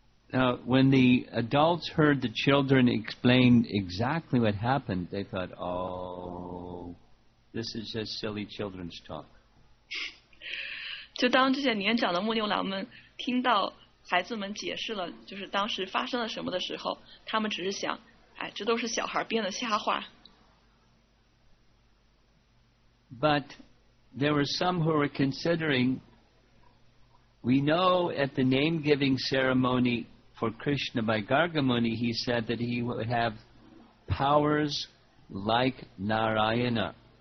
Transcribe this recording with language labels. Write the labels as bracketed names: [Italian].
[English] When the adults heard the children explain exactly what happened, they thought, oh, this is just silly children's talk. [Chinese] 就当这些年长的牧牛郎们听到孩子们解释了就是当时发生了什么的时候，他们只是想，哎，这都是小孩编的瞎话。 [English] But there were some who were considering, we know at the name-giving ceremony,For Krishna by Gargamuni, he said that he would have powers like Narayana.